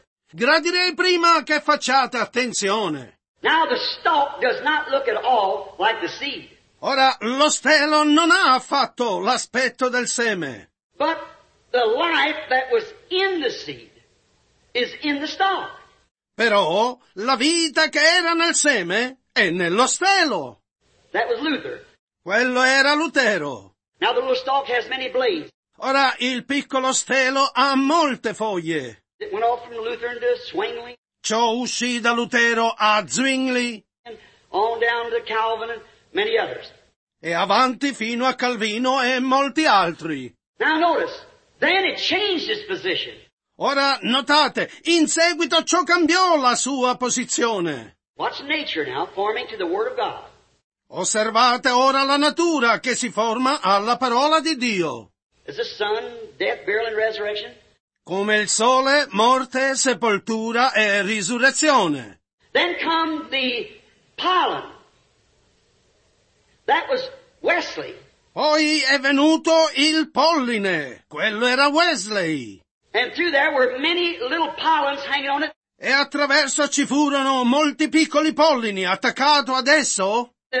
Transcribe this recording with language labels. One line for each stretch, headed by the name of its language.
Italian: Gradirei prima che facciate attenzione.
English: Now the stalk does not look at all like the seed.
Italian: Ora lo stelo non ha affatto l'aspetto del seme.
English: But the life that was in the seed is in the stalk.
Italian: Però la vita che era nel seme è nello stelo.
English: That was Luther.
Italian: Quello era Lutero.
English: Now the little stalk has many blades.
Italian: Ora il piccolo stelo ha molte foglie.
English: It went off from Luther into Zwingli.
Italian: Ciò uscì da Lutero a Zwingli.
English: And on down to Calvin and many others.
Italian: E avanti fino a Calvino e molti altri.
English: Now notice, then it changed its position.
Italian: Ora notate, in seguito ciò cambiò la sua posizione.
English: Watch nature now forming to the Word of God.
Italian: Osservate ora la natura che si forma alla parola di Dio.
English: As the sun, death, burial, and resurrection.
Italian: Come il sole, morte, sepoltura e risurrezione.
English: Then come the pollen. That was Wesley.
Italian: Poi è venuto il polline. Quello era Wesley.
English: And through there were many little pollens hanging on it.
Italian: E attraverso ci furono molti piccoli pollini attaccato ad esso.